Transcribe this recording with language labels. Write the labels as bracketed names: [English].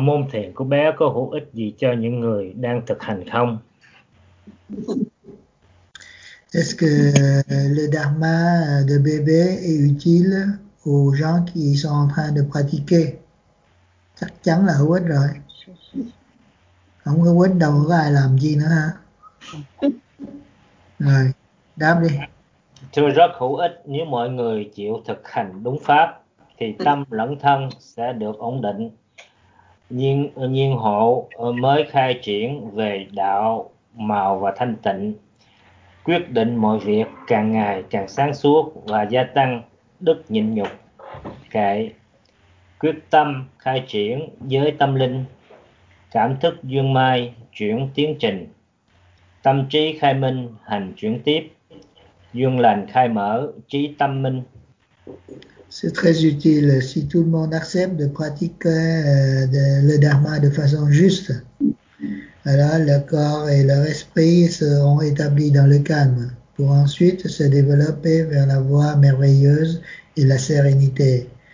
[Vietnamese] Môn thiền của bé có hữu ích gì cho những người đang thực hành không? [French] Est-ce que le dharma de bébé est utile aux gens qui sont en train de pratiquer? [Vietnamese] Chắc chắn là hữu ích rồi. Không hữu ích đâu có ai làm gì nữa ha. Rồi, đáp đi. Thưa, rất hữu ích nếu mọi người chịu thực hành đúng pháp thì tâm lẫn thân sẽ được ổn định. Nhiên hộ mới khai triển về đạo màu và thanh tịnh, quyết định mọi việc càng ngày càng sáng suốt và gia tăng đức nhịn nhục. Kệ, quyết tâm khai triển giới tâm linh, cảm thức duyên mai chuyển tiến trình, tâm trí khai minh hành chuyển tiếp, duyên lành khai mở trí tâm minh. [French] C'est très utile si tout le monde accepte de pratiquer le dharma de façon juste. Alors, le corps et leur esprit seront établis dans le calme pour ensuite se développer vers la voie merveilleuse et la sérénité.